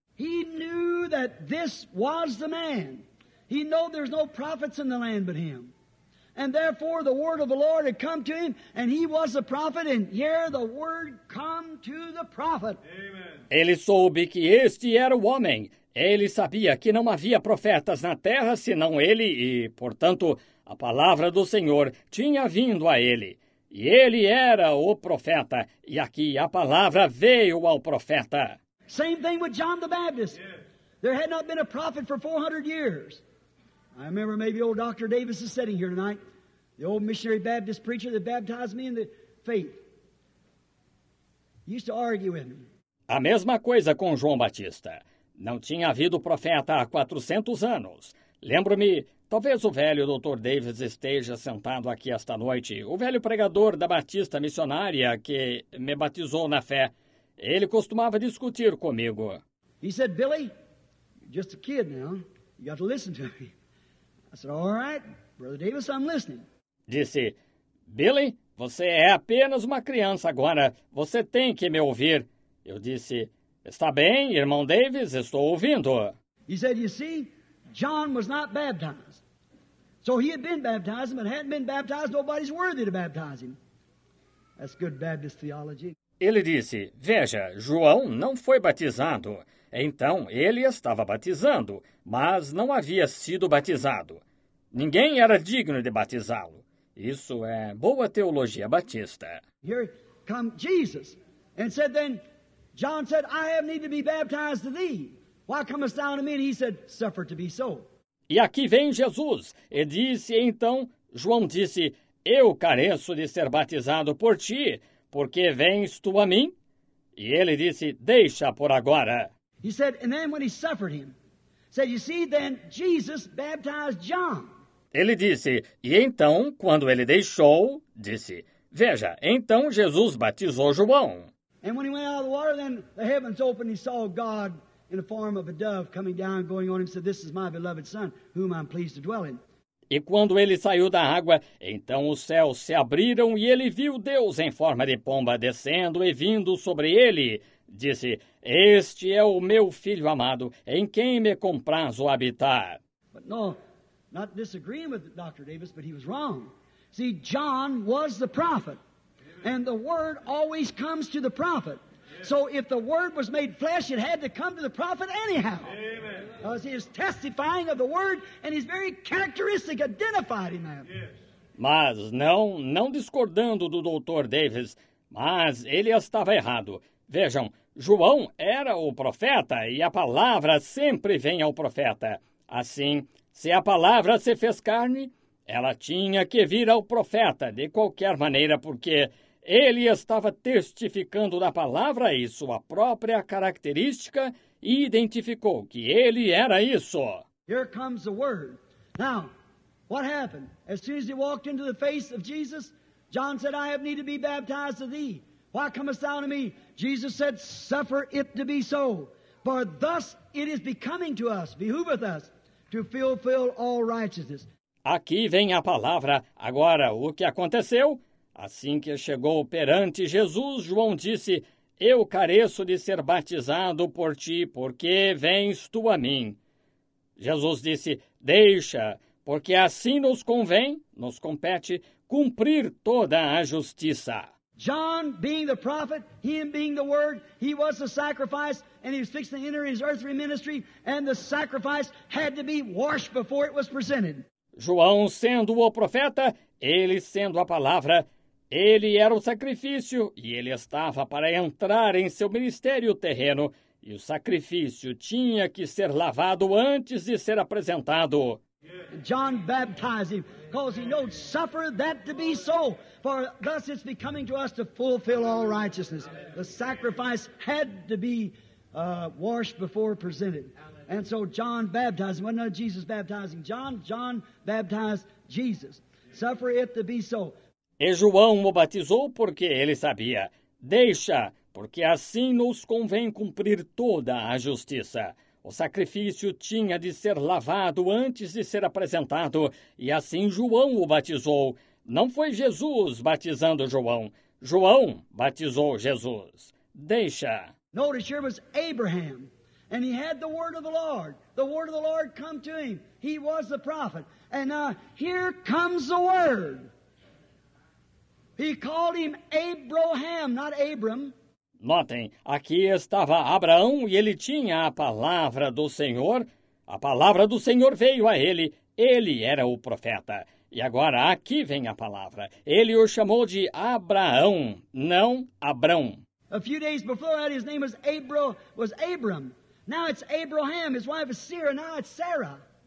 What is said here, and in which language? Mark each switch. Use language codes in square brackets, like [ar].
[en] He knew that this was the man. He knew there's no prophets in the land but him. And therefore the word of the Lord had come to him, and he was a prophet, and here the word come to the prophet. Amen. [pt] Ele soube que este era o homem. Ele sabia que não havia profetas na terra senão ele, e, portanto, a palavra do Senhor tinha vindo a ele. E ele era o profeta, e aqui a palavra veio ao profeta. [en] Same thing with John the Baptist. There had not been a prophet for 400 years. I remember maybe old Dr. Davis is sitting here tonight, the old missionary Baptist preacher that baptized me in the faith. He used to argue with me. [pt] A mesma coisa com João Batista. Não tinha havido profeta há 400 anos. Lembro-me, talvez o velho Dr. Davis esteja sentado aqui esta noite, o velho pregador da Batista missionária que me batizou na fé. Ele costumava discutir comigo. [en] He said, Billy, you're just a kid now. You got to listen to me. I said, all right, Brother Davis, I'm listening. [pt] Disse, Billy, você é apenas uma criança agora. Você tem que me ouvir. Eu disse, está bem, irmão Davis, estou ouvindo. [en] He said, you see, John was not baptized. So he had been baptized, but hadn't been baptized, nobody's worthy to baptize him. That's good Baptist theology. [pt] Ele disse, veja, João não foi batizado. Então, ele estava batizando, mas não havia sido batizado. Ninguém era digno de batizá-lo. Isso é boa teologia batista. [en] Here come Jesus, and said then, John said, I have need to be baptized to thee. Why comest thou unto me? And he said, suffer to be so. [pt] E aqui vem Jesus, e disse então, João disse, eu careço de ser batizado por ti, porque vens tu a mim. E ele disse, deixa por agora. [en] He said, and then when he suffered him, said, you see, then Jesus baptized John. [pt] Ele disse, e então, quando ele deixou, disse, Veja, então Jesus batizou João. [en] And when he went out of the water, then the heavens opened, he saw God in the form of a dove coming down, going on him, said, "This is my beloved son, whom I'm pleased to dwell in." [pt] E quando ele saiu da água, então os céus se abriram e ele viu Deus em forma de pomba descendo e vindo sobre ele. Disse, "Este é o meu filho amado, em quem me compraz o habitar." [en] But no, not disagreeing with Dr. Davis, but he was wrong. See, John was the prophet, and the word always comes to the prophet. So if the word was made flesh, it had to come to the prophet anyhow. Amen. Because he is testifying of the word, and his very characteristic identified him that. Yes. [pt] Mas não discordando do Dr. Davis, mas ele estava errado. Vejam, João era o profeta, e a palavra sempre vem ao profeta. Assim, se a palavra se fez carne, ela tinha que vir ao profeta, de qualquer maneira, porque ele estava testificando da palavra e sua própria característica e identificou que ele era isso. [en] Here comes the word. Now, what happened? As soon as he walked into the face of Jesus, John said, "I have need to be baptized of thee. Why comest thou to me?" Jesus said, "Suffer it to be so. For thus it is becoming to us, behooveth us, to fulfill all righteousness." [pt] Aqui vem a palavra. Agora, o que aconteceu? Assim que chegou perante Jesus, João disse, "Eu careço de ser batizado por ti, porque vens tu a mim." Jesus disse, "Deixa, porque assim nos convém, nos compete, cumprir toda a justiça." [en] John, being the prophet, him being the word, he was the sacrifice, and he was fixing to enter his earthly ministry, and the sacrifice had to be washed before it was presented. [pt] João sendo o profeta, ele sendo a palavra, ele era o sacrifício e ele estava para entrar em seu ministério terreno e o sacrifício tinha que ser lavado antes de ser apresentado. [en] John baptized him because he knows suffer that to be so, for thus it's becoming to us to fulfill all righteousness. The sacrifice had to be washed before presented. And so John baptized him. Well, not Jesus baptizing John. John baptized Jesus. Suffer it to be so. [pt] E João o batizou porque ele sabia. Deixa, porque assim nos convém cumprir toda a justiça. O sacrifício tinha de ser lavado antes de ser apresentado. E assim João o batizou. Não foi Jesus batizando João. João batizou Jesus. Deixa. [en] Notice here was Abraham. And he had the word of the Lord. The word of the Lord come to him. He was the prophet. And here comes the word. He called him Abraham, not Abram. [pt] Notem, aqui estava Abraão e ele tinha a palavra do Senhor. A palavra do Senhor veio a ele. Ele era o profeta. E agora aqui vem a palavra. Ele o chamou de Abraão, não Abrão. [en] A few days before that, his name was Abram. Now it's Abraham, his wife is Sarah, now it's Sarah.